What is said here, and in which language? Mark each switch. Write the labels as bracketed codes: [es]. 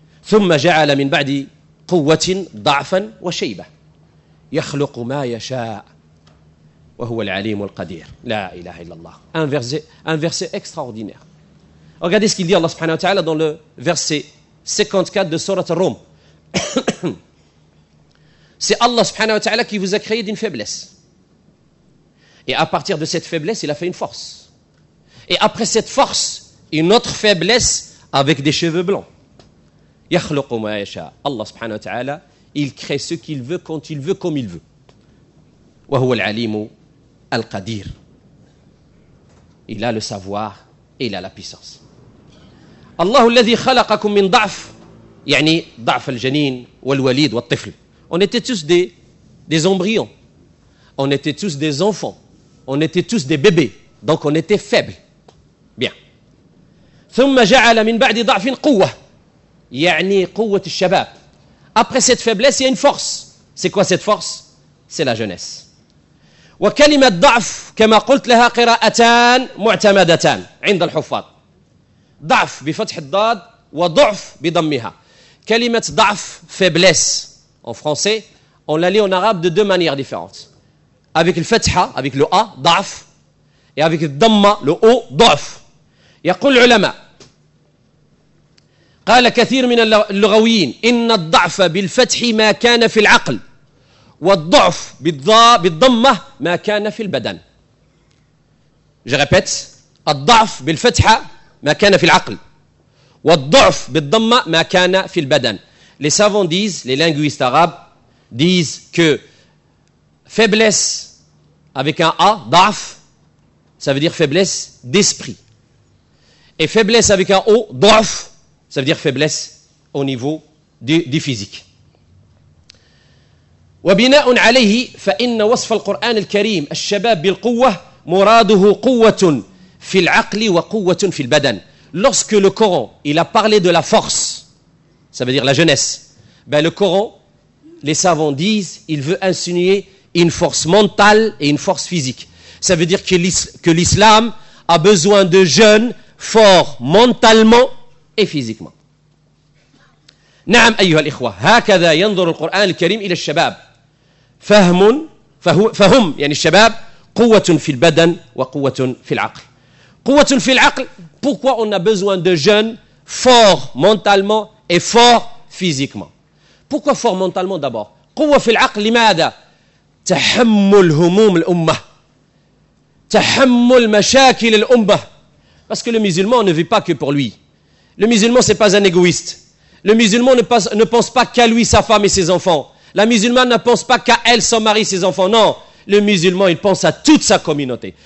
[ar] Thumma ja'ala min ba'di قوة ضعفا وشيبة يخلق ما يشاء وهو العليم القدير. لا إله إلا الله. [fr] Un verset extraordinaire. Regardez ce qu'il dit Allah subhanahu wa ta'ala dans le verset 54 de Sourate Ar-Rum. C'est Allah subhanahu wa ta'ala qui vous a créé d'une faiblesse. Et à partir de cette faiblesse, il a fait une force. Et après cette force, une autre faiblesse avec des cheveux blancs. [ar] يخلق ما يشاء. [fr] Allah subhanahu wa ta'ala, il crée ce qu'il veut, quand il veut, comme il veut. [ar] وهو العليم القدير. [fr] Il a le savoir et il a la puissance. [ar] Allah الذي خلقكم من ضعف, يعني ضعف الجنين والوليد والطفل. [fr] On était tous des embryons. On était tous des enfants. On était tous des bébés. Donc on était faibles. Bien. ثم جعل من بعد ضعف قوة. يعني قوة الشباب. Après cette faiblesse, il y a une force. C'est quoi cette force? C'est la jeunesse. [ar] وكلمة ضعف كما قلت لها قراءتان معتمدتان عند الحفاظ. ضعف بفتح الضاد وضعف بضمها. [fr] كلمة ضعف, faiblesse en français, on la lit en arabe de deux manières différentes. Avec le fatha, avec le a, ضعف, et avec le dhamma, le o, ضعف. [ar] يقول العلماء, قال كثير من اللغويين: إن الضعف بالفتح ما كان في العقل والضعف بالضمة ما كان في البدن. [fr] Je répète, [ar] الضعف بالفتحة ما كان في العقل والضعف بالضمة ما كان في البدن. [fr] Les savants disent, les linguistes arabes disent que faiblesse avec un A, da'af, ça veut dire faiblesse d'esprit. Et faiblesse avec un O, da'af, ça veut dire faiblesse au niveau du physique. [ar] وبناء عليه فإن وصف القرآن الكريم الشباب بالقوة مراده قوة في العقل وقوة في البدن. [fr] Lorsque le Coran il a parlé de la force, ça veut dire la jeunesse, ben le Coran, les savants disent, il veut insinuer une force mentale et une force physique. Ça veut dire que l'islam a besoin de jeunes forts mentalement et physiquement. [ar] نعم أيها الإخوة هكذا ينظر القرآن الكريم إلى الشباب فهم فهم يعني الشباب قوة في البدن وقوة في العقل قوة في العقل. [fr] Pourquoi on a besoin de jeunes forts mentalement et forts physiquement? Pourquoi forts mentalement d'abord? [ar] قوة في العقل لماذا؟ تحمل هموم الأمة تحمل مشاكل الأمة. [fr] Parce que le musulman ne vit pas que pour lui. Le musulman c'est pas un égoïste. Le musulman ne pense pas qu'à lui, sa femme et ses enfants. La musulmane ne pense pas qu'à elle, son mari, ses enfants. Non, le musulman, il pense à toute sa communauté.